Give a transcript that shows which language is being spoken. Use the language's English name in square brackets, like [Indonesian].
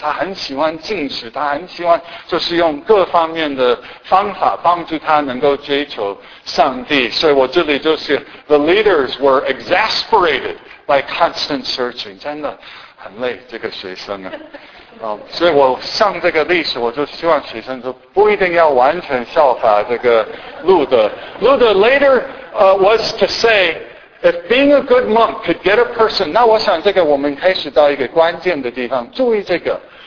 [Chinese] 他很喜欢进食，他很喜欢就是用各方面的方法帮助他能够追求上帝。所以我这里就是 [English] The leaders were exasperated by constant searching。 [Chinese] 真的很累这个学生啊。所以我上这个历史，我就希望学生就不一定要完全效法这个路德。 [English] 路德 later was to say if being a good monk could get a person。 [Chinese] 那我想这个我们开始到一个关键的地方，注意这个。